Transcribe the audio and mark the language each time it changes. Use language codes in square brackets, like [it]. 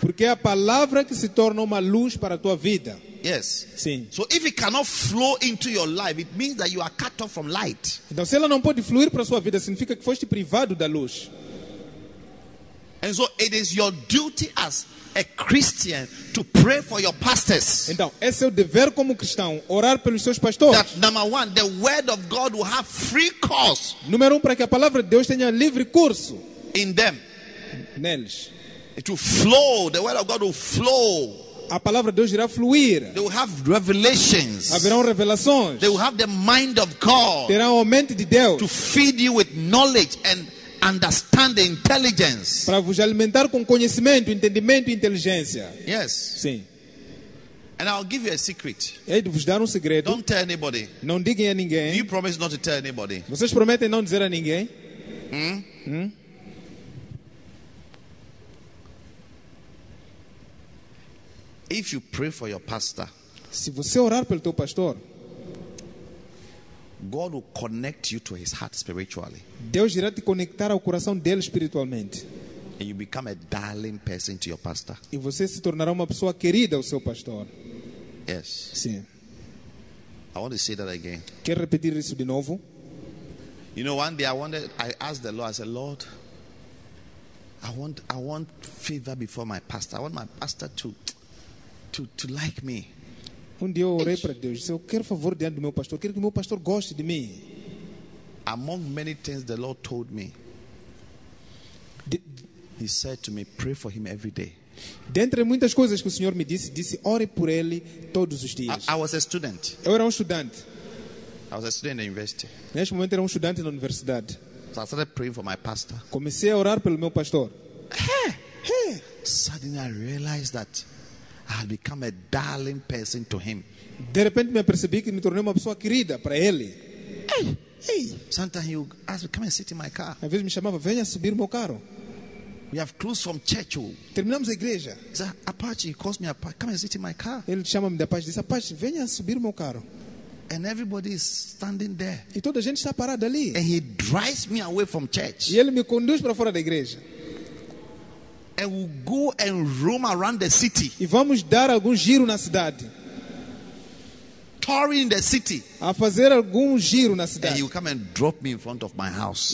[pt] Porque é a palavra que se torna uma luz para a tua vida. [en] Yes. [pt] Sim. [en] So if it cannot flow into your life, it means that you are cut off from light. [pt] Então, se ela não pode fluir para a sua vida, significa que foste privado da luz. [en] And so it is your duty as a Christian to pray for your pastors. [pt] Então, é seu dever como cristão orar pelos seus pastores. [en] That number one, the word of God will have free course. [pt] Número um, para que a palavra de Deus tenha livre curso. [en] In them. [pt] Neles. [en] It will flow. The word of God will flow. [pt] A palavra de Deus irá fluir. [en] They will have revelations. [pt] Haverão revelações. [en] They will have the mind of God. [pt] Terão a mente de Deus. [en] To feed you with knowledge and understand the intelligence. [pt] Para vos alimentar com conhecimento, entendimento e inteligência. [en] Yes. [pt] Sim. [en] And I'll give you a secret. [pt] Hei de vos dar segredo. [en] Don't tell anybody. [pt] Não diga a ninguém. [en] You promise not to tell anybody. [pt] Vocês prometem não dizer a ninguém? [en] If you pray for your pastor, [pt] se você orar pelo teu pastor, [en] God will connect you to his heart spiritually. [pt] Deus irá te conectar ao coração dele espiritualmente. [en] And you become a darling person to your pastor. [pt] E você se tornará uma pessoa querida ao seu pastor. [en] Yes. [pt] Sim. [en] I want to say that again. [pt] Quero repetir isso de novo. [en] You know, one day I asked the Lord, I said, Lord, I want favor before my pastor. I want my pastor to like me. [pt] Um dia eu orei para Deus, disse, eu quero favor diante do meu pastor, quero que o meu pastor goste de mim. [en] Among many things the Lord told me, he said to me, pray for him every day. [pt] Dentre muitas coisas que o Senhor me disse, disse, ore por ele todos os dias. [en] I was a student. [pt] Eu era estudante. [en] I was a student in the university. [pt] Neste momento era estudante na universidade. [en] So I started praying for my pastor. [pt] Comecei a orar pelo meu pastor. [en] Suddenly I realized that I had become a darling person to him. [pt] De repente me percebi que me tornei uma pessoa querida para ele. [en] Hey. Sometimes he would ask me, come and sit in my car. [pt] Às vezes me chamava, venha subir meu carro. [en] We have close from church. [pt] Terminamos a igreja. [en] He said, Apache, he calls me Apache, come and sit in my car. [pt] Ele chama-me de Apache, diz, Apache, venha subir meu carro. [en] And everybody is standing there. [pt] E toda a gente está parada ali. [en] And he drives me away from church. [pt] E ele me conduz para fora da igreja. [en] And we'll go and roam around the city. [pt] E vamos dar algum giro na cidade. [en] Touring the city. [pt] A fazer algum giro na cidade. [en] And you come and drop me in front of my house.